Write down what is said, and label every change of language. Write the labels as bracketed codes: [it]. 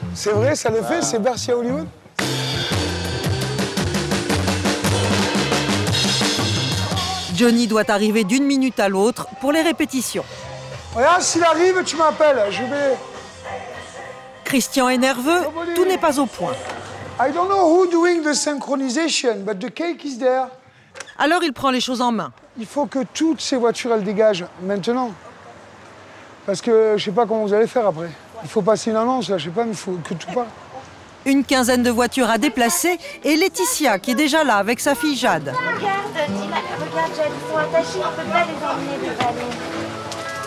[fr] C'est vrai, ça le fait, c'est Bercy à Hollywood. Johnny doit arriver d'une minute à l'autre pour les répétitions. Regarde, s'il arrive, tu m'appelles, je vais... Christian est nerveux, tout n'est pas au point. [en] I don't know who doing the synchronization, but the cake is there. [fr] Alors il prend les choses en main. Il faut que toutes ces voitures, elles dégagent maintenant. Parce que je sais pas comment vous allez faire après. Il faut passer une annonce, là, je sais pas, mais il faut que tout parte. Une quinzaine de voitures à déplacer et Laetitia qui est déjà là avec sa fille Jade. Regarde, regarde Jade, ils sont attachés, on ne peut pas les emmener de balai.